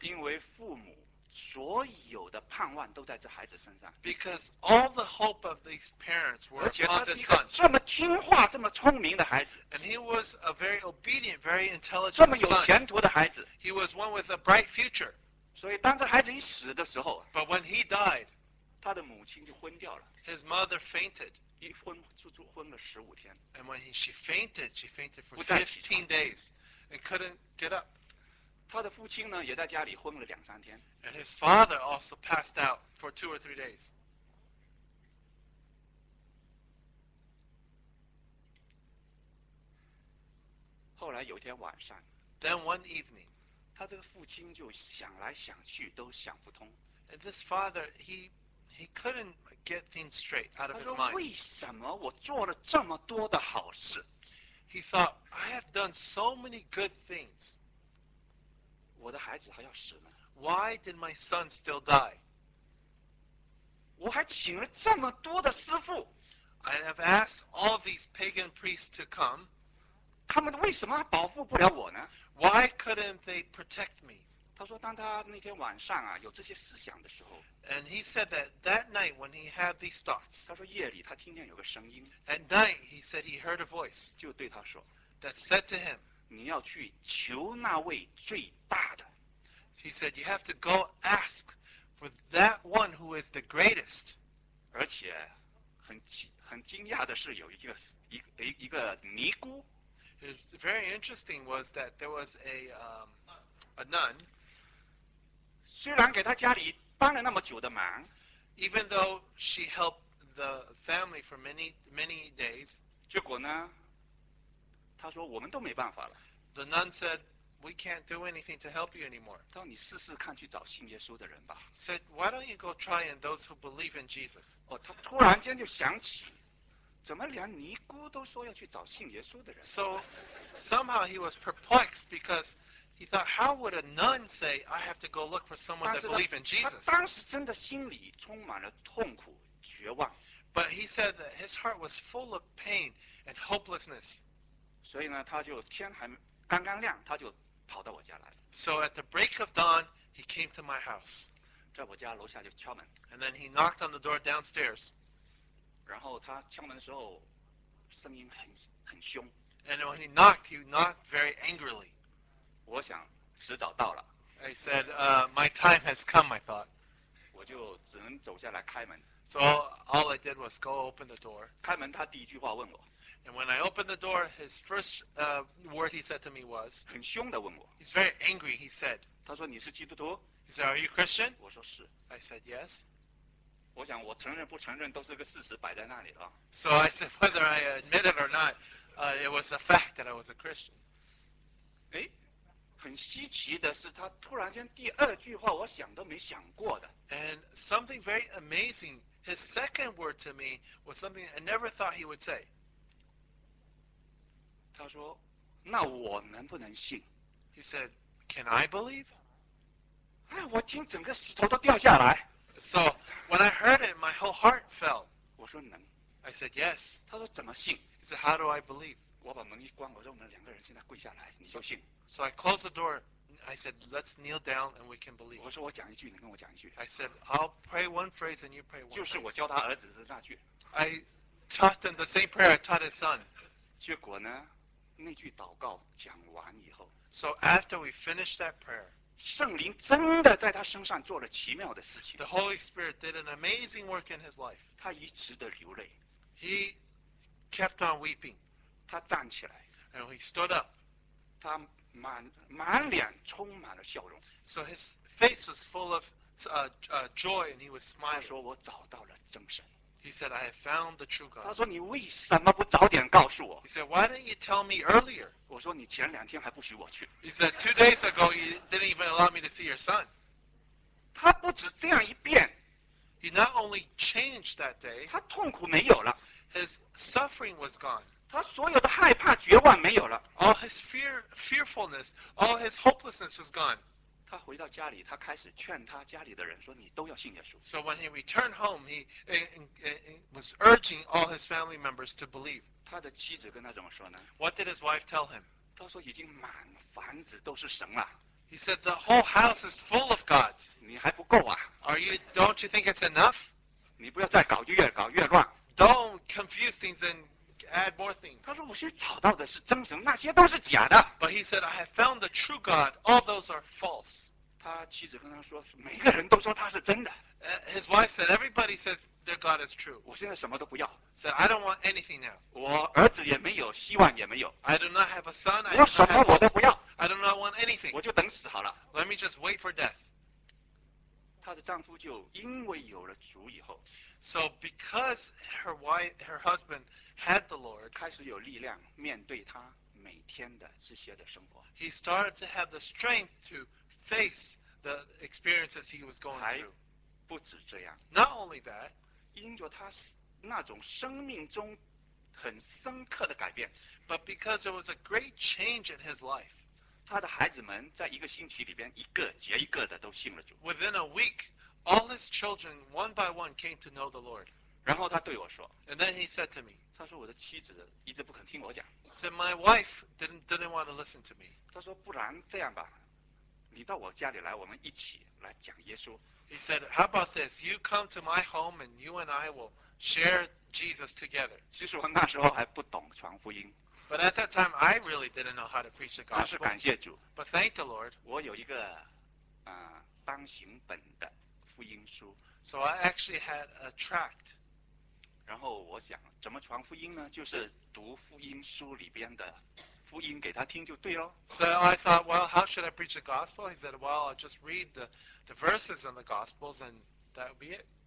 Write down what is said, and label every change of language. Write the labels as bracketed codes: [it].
[zh] 因为父母所有的盼望都在这孩子身上。 [en] Because all the hope of these parents were on this son. [zh] 而且他是一个这么听话、这么聪明的孩子。 [en] And he was a very obedient, very intelligent son. [zh] 这么有前途的孩子。 [en] He was one with a bright future. [zh] 所以当这孩子一死的时候 [en] ，But when he died, [zh] 他的母亲就昏掉了。 [en] His mother fainted. [zh] 一昏就昏了十五天。 [en] And when she fainted, she fainted for 15 days and couldn't get up. [zh] 他的父亲呢，也在家里昏了两三天。 [en] And his father also passed out for 2 or 3 days. [zh] 后来有一天晚上 [en] ，Then one evening， [zh] 他这个父亲就想来想去都想不通。 [en] And this father he couldn't get things straight out of his mind. [zh] 他说：“为什么我做了这么多的好事 [en] ？”He thought, "I have done so many good things." [zh] 我的孩子还要死呢。 [en] Why did my son still die? [zh] 我还请了这么多的师父。 [en] I have asked all these pagan priests to come. [zh] 他们为什么保护不了我呢？ [en] Why couldn't they protect me? [zh] 他说当他那天晚上啊有这些思想的时候， [en] And he said that that night when he had these thoughts, [zh] 他说夜里他听见有个声音， [en] At night he said he heard a voice, [zh] 就对他说， [en] That said to him, [zh] 你要去求那位最大的。 [en] He said, you have to go ask for that one who is the greatest. [zh] 而且很惊讶的是有一个尼姑。 [en] It was very interesting was that there was a nun. [zh] 虽然给她家里帮了那么久的忙。 [en] Even though she helped the family for many, many days. [zh] 结果呢她说我们都没办法了。 [en] The nun said,We can't do anything to help you anymore. [zh] 到你试试看去找信耶稣的人吧。 [en] Said, why don't you go try and those who believe in Jesus? [zh] 哦，他突然间就想起，怎么连尼姑都说要去找信耶稣的人。 [en] So, somehow he was perplexed because he thought, how would a nun say, I have to go look for someone that believe in Jesus? [zh] 他当时真的心里充满了痛苦、绝望。 [en] But he said that his heart was full of pain and hopelessness. [zh] 所以呢，他就天还刚刚亮，他就跑到我家来了。 [en] So at the break of dawn, he came to my house. [zh] 在我家楼下就敲门。 [en] And then he knocked on the door downstairs. [zh] 然后他敲门的时候，声音很凶。 [en] And when he knocked very angrily. [zh] 我想迟早到了。 [en] I said, my time has come, I thought. [zh] 我就只能走下来开门。 [en] So all I did was go open the door. [zh] 开门他第一句话问我。 [en] And when I opened the door, his first word he said to me was, [zh] 很凶地问我。 [en] He's very angry, he said. [zh] 他说你是基督徒？ [en] He said, are you Christian? [zh] 我说是。 [en] I said, yes. [zh] 我想我承认不承认都是个事实摆在那里了。 [en] So I said, whether I admit it or not, it was a fact that I was a Christian. [zh] 诶，很稀奇的是他突然间第二句话我想都没想过的。 [en] And something very amazing, his second word to me was something I never thought he would say. [zh] 他说那我能不能信 [en] He said, can I believe? [zh] 哎，我听整个石头都掉下来。 [en] So, when I heard it, my whole heart fell. [zh] 我说能。 [en] I said, yes. [zh] 他说怎么信 [en] He said, how do I believe? [zh] 我把门一关，我说我们两个人现在跪下来，你就信。 [en] So I closed the door. I said, let's kneel down and we can believe. [zh] 我说我讲一句，你跟我讲一句。 [en] I said, I'll pray one phrase and you pray one phrase. [zh] 就是我教他儿子的那句。 [en] I taught them the same prayer I taught his son. [zh] 结果呢那句祷告讲完以后 [en] So after we finished that prayer [zh] 圣灵真的在他身上做了奇妙的事情 [en] The Holy Spirit did an amazing work in his life [zh] 他一直的流泪 [en] He kept on weeping [zh] 他站起来 [en] And he stood up [zh] 他满脸充满了笑容 [en] So his face was full of joy and he was smiling [zh] 他说我找到了真神 [en] He said, I have found the true God. [zh] 他说你为什么不早点告诉我 [en] He said, why didn't you tell me earlier? [zh] 我说你前两天还不许我去 [en] He said, 2 days ago, you didn't even allow me to see your son. [zh] 他不止这样一遍 [en] He not only changed that day. [zh] 他痛苦没有了 [en] His suffering was gone. [zh] 他所有的害怕绝望没有了 [en] All his fearfulness, all his hopelessness was gone. [zh] 他回到家里，他开始劝他家里的人说：“你都要信耶稣。” [en] So when he returned home, he was urging all his family members to believe. [zh] 他的妻子跟他怎么说呢？ [en] What did his wife tell him? [zh] 他说：“已经满房子都是神了。” [en] He said, "The whole house is full of gods." [zh] 你还不够啊？ [en] Are you? Don't you think it's enough? [zh] 你不要再搞越乱。 [en] Don't confuse things and add more things. [zh] 他说：“我现在找到的是真神，那些都是假的。” [en] But he said, "I have found the true God. All those are false." [zh] 他妻子跟他说：“每个人都说他是真的。” [en] His wife said, "Everybody says their God is true." [zh] 我现在什么都不要。 [en] Said, "I don't want anything now." [zh] 我儿子也没有，希望也没有。 [en] I do not have a son. [zh] 我什么我都不要。 [en] I do not want anything. [zh] 我就等死好了。 [en] Let me just wait for death. [zh] 他的丈夫就因为有了主以后。 [en] So because her wife, her husband had the Lord, [zh] 开始有力量面对他每天的这些的生活。 [en] He started to have the strength to face the experiences he was going through. [zh] 还不止这样。 [en] Not only that, [zh] 因着他那种生命中很深刻的改变。 [en] But because there was a great change in his life. [zh] 他的孩子们在一个星期里边一个接一个的都信了主。 [en] Within a week, All his children, one by one, came to know the Lord. [zh] 然后他对我说 [en] And then he said to me, [zh] 他说我的妻子一直不肯听我讲 [en] So my wife didn't want to listen to me. [zh] 他说不然这样吧你到我家里来我们一起来讲耶稣 [en] He said, how about this? You come to my home and you and I will share Jesus together. [zh] 其实我那时候还不懂传福音 [en] But at that time, I really didn't know how to preach the gospel. [zh] 那是感谢主 [en] But thank the Lord. [zh] 我有一个、单行本的福音书 [en] So I actually had a tract. [zh] 然后我想怎么传福音呢就是读福音书里边的福音给他听就对咯 [en] So I thought, well, how should I preach the gospel? He said, well, I'll just read the verses in the gospels and that would be it.